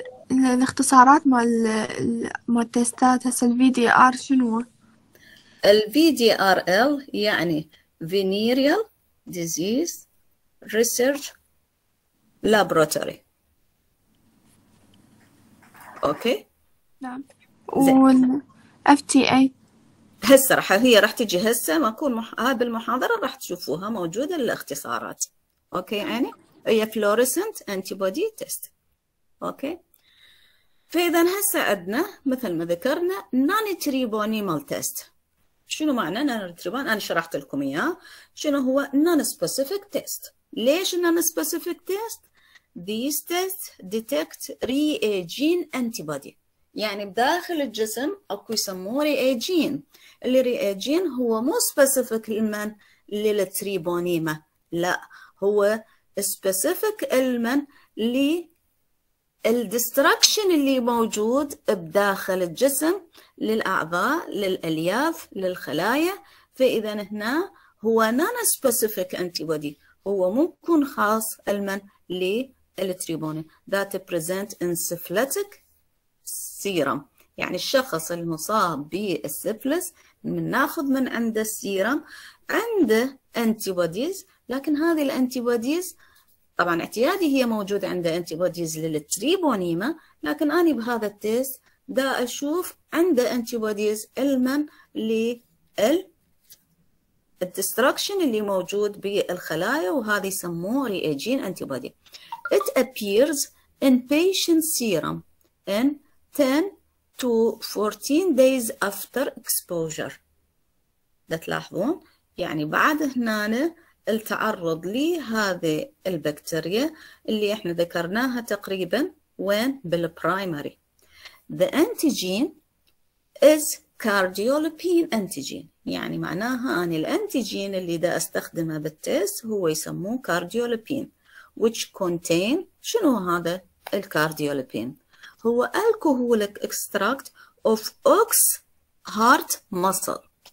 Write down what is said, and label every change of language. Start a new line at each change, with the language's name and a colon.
Arabic: الاختصارات مال التستات هسه الفي دي ار شنو؟
English: ال VDRL يعني Venereal Disease Research Laboratory.
Arabic: اوكي نعم، زين، وال FTA هسه راح هي راح تجي هسه، ما اكون هذه المحاضرة راح تشوفوها موجودة الاختصارات. اوكي، يعني هي فلوريسنت انتي بودي تيست. اوكي، فاذا هسه عندنا مثل ما ذكرنا نان تريبونيمال تيست. شنو معنى نان تريبون؟ انا شرحت لكم اياه شنو هو نان سبيسيفيك تيست. ليش نان سبيسيفيك تيست؟
English: These tests detect reagin antibody.
Arabic: يعني بداخل الجسم اكو يسموه reagin. اللي reagin هو مو سبيسيفيك لمن؟ للتريبونيما. لا، هو سبيسيفيك لمن؟ الدستركشن اللي موجود بداخل الجسم للأعضاء، للألياف، للخلايا. فإذا هنا هو نان سبيسيفيك انتي بودي، هو ممكن خاص لمن؟ للتريبوني ذات بريزنت انسفلتك سيرم. يعني الشخص المصاب بالسفلس ناخذ من عنده السيرم، عنده انتي بوديز، لكن هذه الانتي بوديز طبعا اعتيادي هي موجودة عنده انتي بوديز للتريبونيما، لكن انا بهذا التيست دا اشوف عنده انتي بوديز المن لل الدستركشن اللي موجود بالخلايا، وهذا يسموه رياجين انتي بودي.
English: It appears in patient serum in 10 to 14 days after exposure.
Arabic: تلاحظون يعني بعد هنا التعرض لهذه البكتيريا اللي احنا ذكرناها تقريبا وين؟ بالبرايمري.
English: The antigen is cardiolipin antigen،
Arabic: يعني معناها ان الانتيجين اللي دا استخدمه بالتست هو يسموه كارديولبين،
English: which contain
Arabic: شنو هذا الكارديولبين؟ هو
English: alcoholic extract of ox heart muscle،